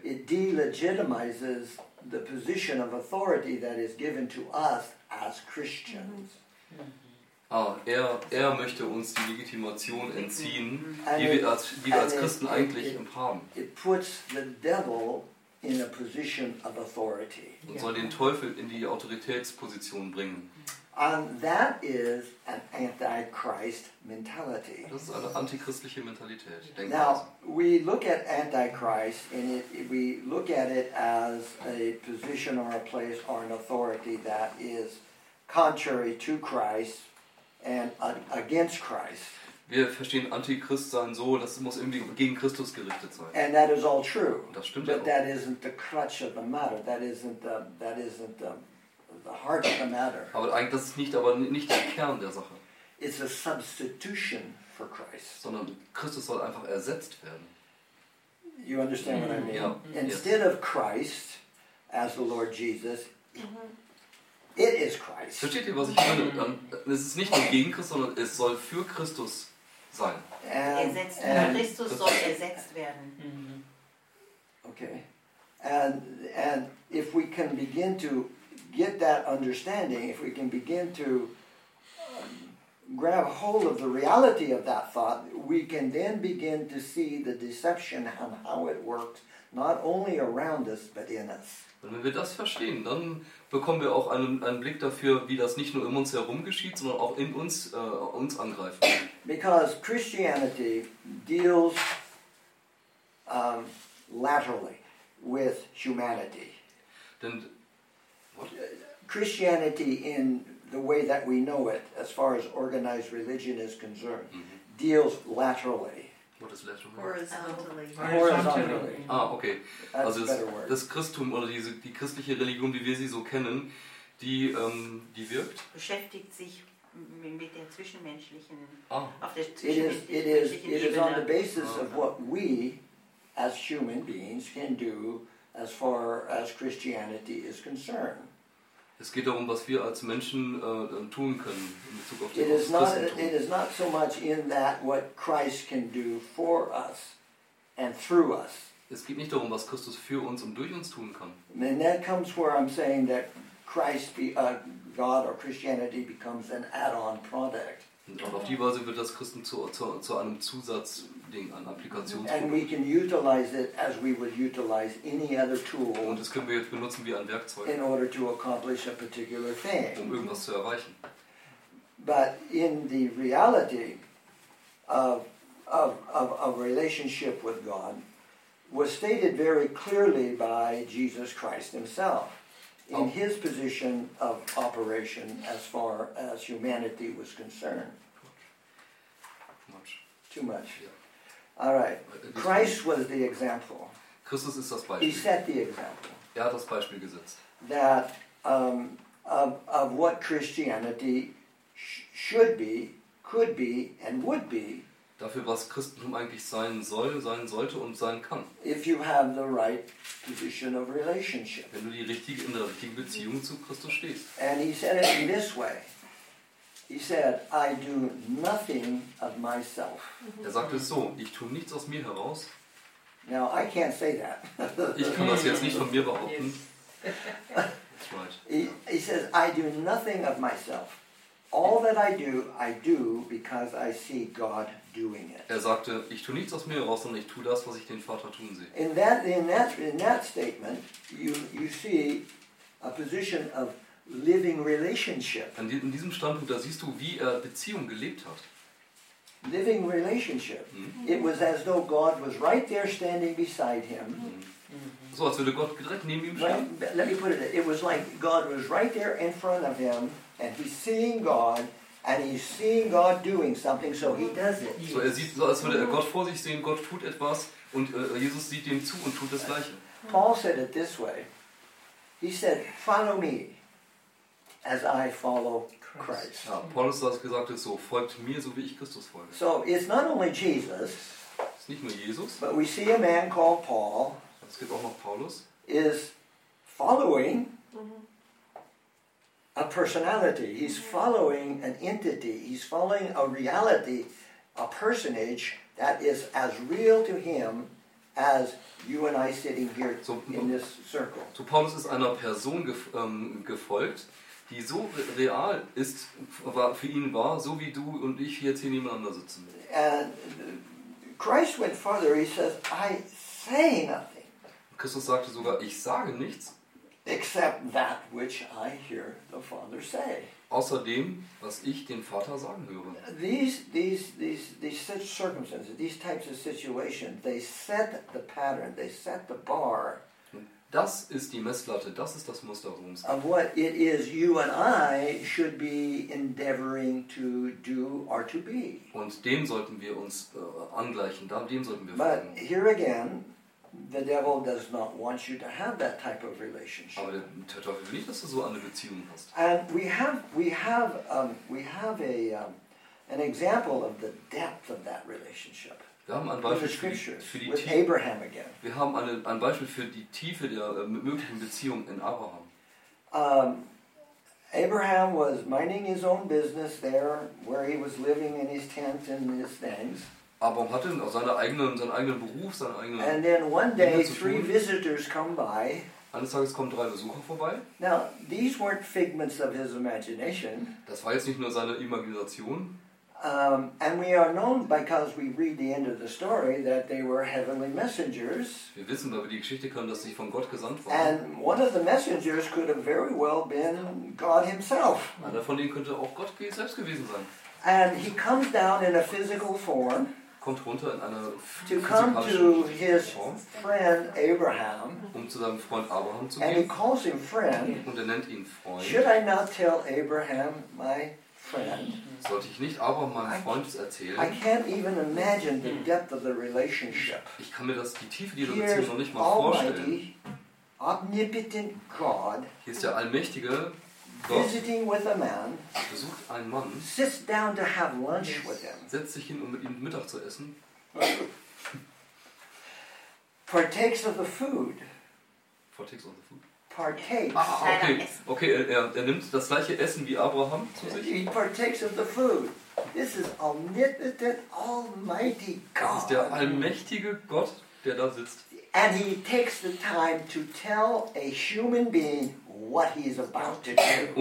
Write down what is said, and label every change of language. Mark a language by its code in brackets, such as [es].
[en] It delegitimizes the position of authority that is given to us as Christians. Mhm. [de] Ah, er möchte uns die Legitimation entziehen, die wir als Christen eigentlich haben. [en] It puts the devil in a position of authority. [de] Und soll den Teufel in die Autoritätsposition bringen. [en] And that is an anti-Christ mentality. [de] Das ist eine antichristliche Mentalität. [en] Now we look at anti-Christ, and we look at it as a position or a place or an authority that is contrary to Christ and against Christ. [de] Wir verstehen Antichrist sein so, dass es muss irgendwie gegen Christus gerichtet sein. [en] And that is all true. [de] Und das stimmt [en] but [de] ja auch. [en] That isn't the crutch of the matter. That isn't the heart of the matter. [de] Aber eigentlich, das ist nicht, aber nicht der Kern der Sache. [en] It's a substitution for Christ. [de] Sondern Christus soll einfach ersetzt werden. [en] You understand what I mean? [de] Ja. [en] Instead of Christ as the Lord Jesus, it is Christ. [de] Versteht ihr, was ich meine? Es ist nicht nur gegen Christus, sondern es soll für Christus sein. Christus soll ersetzt werden. [en] Okay. And if we can begin to get that understanding, if we can begin to grab hold of the reality of that thought, we can then begin to see the deception and how it works, not only around us, but in us. [de] Und wenn wir das verstehen, dann bekommen wir auch einen Blick dafür, wie das nicht nur um uns herum geschieht, sondern auch in uns angreift. [en] Because Christianity deals laterally with humanity. [de] Denn [en] Christianity in the way that we know it, as far as organized religion is concerned, deals laterally. What is laterally? Horizontally. Ah, okay. [de] Also das Christentum oder die christliche Religion, wie wir sie so kennen, die wirkt. Beschäftigt sich mit der zwischenmenschlichen. Ah. [en] It is on the basis of what we, as human beings, can do as far as Christianity is concerned. [de] Es geht darum, was wir als Menschen tun können in Bezug auf das Christentum. [en] It is not so much in that what Christ can do for us and through us. [de] Es geht nicht darum, was Christus für uns und durch uns tun kann. [en] And that comes where I'm saying that Christ be a God or Christianity becomes an add-on product. [de] Und auf die Weise wird das Christen zu einem Zusatzding, einem Applikationsprodukt. [en] And we can utilize it as we would utilize any other tool. [de] Und das können wir jetzt benutzen wie ein Werkzeug. [en] In order to accomplish a particular thing. [de] Um irgendwas zu erreichen. [en] But in the reality of a relationship with God was stated very clearly by Jesus Christ himself. In his position of operation as far as humanity was concerned. Too much. Yeah. All right. Christ was the example. [de] Christus ist das Beispiel. [en] He set the example. [de] Er hat das Beispiel gesetzt. [en] That of what Christianity should be, could be, and would be. [de] Dafür, was Christentum eigentlich sein soll, sein sollte und sein kann. [en] If you have the right position of relationship. [de] Wenn du in der richtigen Beziehung zu Christus stehst. [en] And he said it in this way. He said, I do nothing of myself. [de] Er sagte es so, ich tue nichts aus mir heraus. [en] Now, I can't say that. [de] Ich kann das jetzt nicht von mir behaupten. [en] That's right. He says, I do nothing of myself. All that I do because I see God doing it. [de] Er sagte, ich tue nichts aus mir heraus, sondern ich tue das, was ich den Vater tun sehe. [en] In that statement, you see a position of living relationship. [de] In diesem Standpunkt, da siehst du, wie er Beziehung gelebt hat. [en] Living relationship. Mm-hmm. It was as though God was right there standing beside him. Mm-hmm. [de] So, als würde Gott direkt neben ihm stehen. [en] Right? Let me put it was like God was right there in front of him. And he's seeing God, and he's seeing God doing something, so he does it. [de] So er sieht, so als würde er Gott vor sich sehen. Gott tut etwas, und Jesus sieht ihm zu und tut das Gleiche. [en] Paul said it this way. He said, follow me as I follow Christ. [de] Ja, Paulus hat gesagt, so folgt mir, so wie ich Christus folge. [en] So it's not only Jesus. [de] Es ist nicht nur Jesus. [en] But we see a man called Paul. [de] Es gibt auch noch Paulus. [en] Is following a personality. He's following an entity. He's following a reality, a personage that is as real to him as you and I sitting here in this circle. [de] So Paulus ist einer Person gefolgt, die so real ist, für ihn war, so wie du und ich jetzt hier nebeneinander sitzen. [en] And Christ went further. He says, I say nothing. [de] Christus sagte sogar, ich sage nichts. [en] Except that which I hear the Father say. [de] Außerdem, was ich den Vater sagen höre. [en] These circumstances, these types of situations, they set the pattern, they set the bar. [de] Das ist die Messlatte, das ist das Muster, worum es geht. [en] Of what it is you and I should be endeavoring to do or to be. [de] Und dem sollten wir uns angleichen, dem sollten wir folgen. [en] But here again, the devil does not want you to have that type of relationship. [de] Aber der Teufel will nicht, dass du so eine Beziehung hast. [en] And we have an example of the depth of that relationship. [de] Wir haben ein Beispiel für die [en] with Abraham again. [de] Wir haben ein Beispiel für die Tiefe der möglichen Beziehung in Abraham. [en] Abraham was minding his own business there, where he was living in his tent and his things. [de] Abraham hatte seinen eigenen Beruf, seinen eigenen. [en] And then one day, three visitors come by. [de] Eines Tages kommen drei Besucher vorbei. [en] Now, these weren't figments of his imagination. [de] Das war jetzt nicht nur seine Imagination. [en] And we are known because we read the end of the story that they were heavenly messengers. [de] Wir wissen, weil wir die Geschichte kennen, dass sie von Gott gesandt waren. [en] And one of the messengers could have very well been God himself. [de] Einer von ihnen könnte auch Gott selbst gewesen sein. [en] And he comes down in a physical form. [de] Kommt runter in einer [en] to come to his friend Abraham, [de] zu seinem Freund Abraham zu gehen. [en] And he calls him friend. [de] Und nennt ihn Freund. [en] Should I not tell Abraham my friend? [de] Sollte ich nicht Abraham meinem Freund erzählen? [en] I can't even imagine the depth of the relationship. [de] Ich kann mir die Tiefe dieser Beziehung noch nicht mal vorstellen. [en] Omnipotent God. [de] Hier ist der allmächtige [en] visiting with a man, [de] besucht einen Mann, [en] sits down to have lunch with him, [de] setzt sich hin, um mit ihm Mittag zu essen, [en] partakes of the food. [de] Er nimmt das gleiche Essen wie Abraham zu sich. [en] He partakes of the food. This is omnipotent, almighty God. [de] Das ist der allmächtige Gott, der da sitzt. [en] And he takes the time to tell a human being what he is about to do.